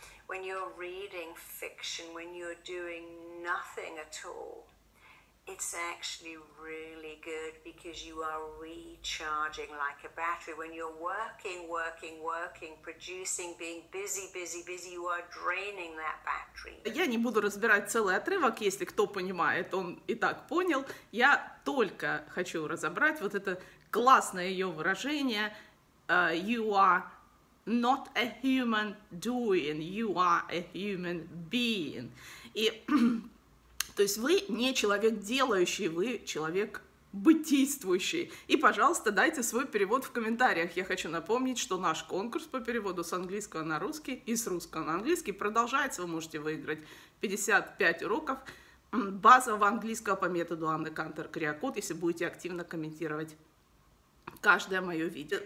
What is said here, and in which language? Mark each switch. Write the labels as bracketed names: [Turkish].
[English] When you're reading fiction, when you're doing nothing at all, it's actually really good because you are recharging like a battery. When you're working, working, working, producing, being busy, busy, busy, you are draining that battery. [Russian] Я не буду разбирать целый отрывок, если кто понимает, он и так понял. Я только хочу разобрать вот это классное ее выражение [English] «you are». Not a human doing, you are a human being. [Russian] И, то есть вы не человек делающий, вы человек бытийствующий. И, пожалуйста, дайте свой перевод в комментариях. Я хочу напомнить, что наш конкурс по переводу с английского на русский и с русского на английский продолжается. Вы можете выиграть 55 уроков базового английского по методу Анны Кантер Креокод, если будете активно комментировать каждое мое видео.